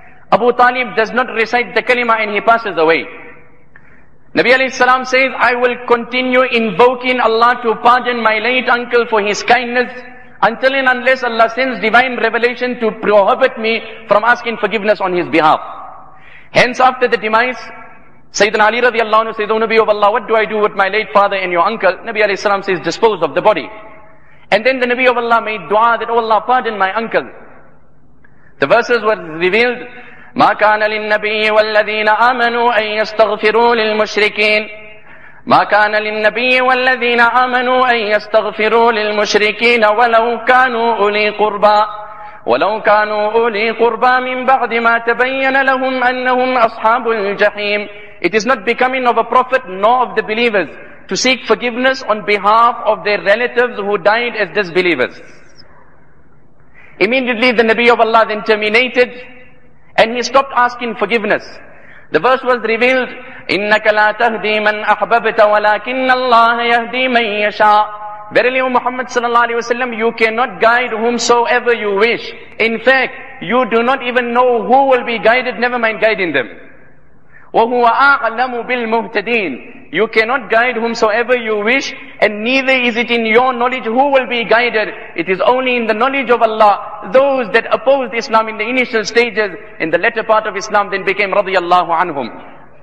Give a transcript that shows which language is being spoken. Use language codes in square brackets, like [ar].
[en] Abu Talib does not recite the kalima and he passes away. Nabi alayhi salam says, I will continue invoking Allah to pardon my late uncle for his kindness until and unless Allah sends divine revelation to prohibit me from asking forgiveness on his behalf. Hence after the demise, Sayyidina Ali radiallahu anhu says, O Nabi of Allah, what do I do with my late father and your uncle? Nabi alayhi salam says, dispose of the body. And then the Nabi of Allah made dua that, O Allah, pardon my uncle. The verses were revealed. [ar] مَا كَانَ لِلنَّبِيِّ وَالَّذِينَ آمَنُوا أَن يَسْتَغْفِرُوا لِلْمُشْرِكِينَ مَا كَانَ لِلنَّبِيِّ وَالَّذِينَ آمَنُوا أَن يَسْتَغْفِرُوا لِلْمُشْرِكِينَ وَلَوْ كَانُوا أُولِي قُرْبَى مِن بَعْدِ مَا تَبَيَّنَ لَهُمْ أَنَّهُمْ أَصْحَابُ الْجَحِيمِ. [en] It is not becoming of a prophet nor of the believers to seek forgiveness on behalf of their relatives who died as disbelievers. Immediately the Nabi of Allah then terminated and he stopped asking forgiveness. The verse was revealed, [ar] إِنَّكَ لَا تَهْدِي مَنْ أَحْبَبْتَ وَلَكِنَّ اللَّهَ يَهْدِي مَنْ يَشَاءَ. [en] Verily, O Muhammad sallallahu alayhi wa sallam, you cannot guide whomsoever you wish. In fact, you do not even know who will be guided, never mind guiding them. [ar] وَهُوَ أَعْلَمُ بِالْمُهْتَدِينَ. [en] You cannot guide whomsoever you wish, and neither is it in your knowledge who will be guided. It is only in the knowledge of Allah. Those that opposed Islam in the initial stages, in the latter part of Islam, then became radiyallahu anhum.